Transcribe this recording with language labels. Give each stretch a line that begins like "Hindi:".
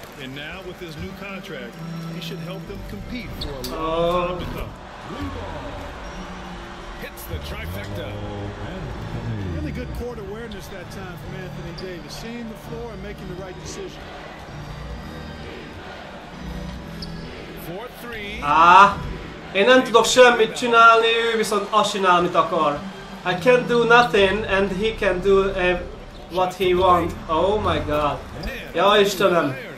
English: And now with his new contract, he should help them compete for a long time to come. Hits the trifecta. Really good court awareness that time from Anthony Davis. Seeing the floor and making the right decision. 4-3.
Hungarian: Én nem tudok semmit csinálni, ő viszont azt csinál, amit akar.
English: I can't do nothing and he can do what he want. Oh my god.
Hungarian: Ja, Istenem.